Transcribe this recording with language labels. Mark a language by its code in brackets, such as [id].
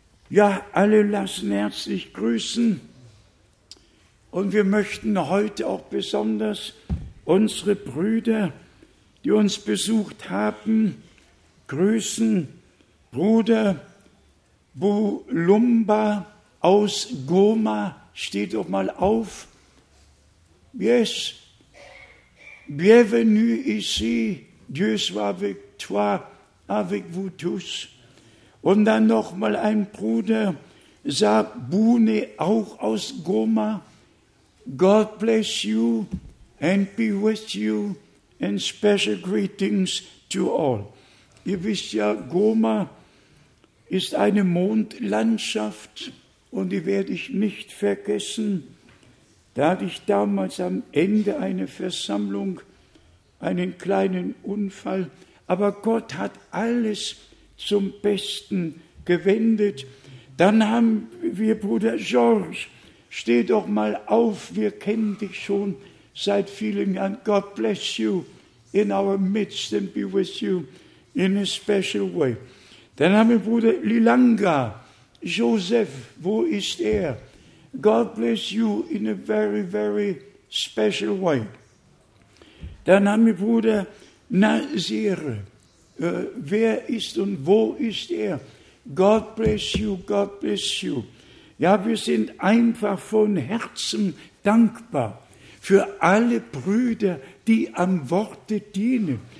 [de] Ja, alle lassen herzlich grüßen. Und wir möchten heute auch besonders unsere Brüder, die uns besucht haben, grüßen. Bruder Bulumba aus Goma, steht doch mal auf. [fr] Yes, bienvenue ici, Dieu soit avec toi, avec vous tous. [de] Und dann noch mal ein Bruder, Sabune, auch aus Goma. [en] God bless you and be with you and special greetings to all. [de] Ihr wisst ja, Goma ist eine Mondlandschaft und die werde ich nicht vergessen. Da hatte ich damals am Ende einer Versammlung einen kleinen Unfall, aber Gott hat alles zum Besten gewendet. Dann haben wir Bruder Georges. Steh doch mal auf, wir kennen dich schon seit vielen Jahren. [en] God bless you in our midst and be with you in a special way. [de] Dann haben wir Bruder Lilanga, Joseph, wo ist er? [en] God bless you in a very, very special way. [de] Dann haben wir Bruder Nasir, wer ist und wo ist er? [en] God bless you, God bless you. [de] Ja, wir sind einfach von Herzen dankbar für alle Brüder, die am Worte dienen.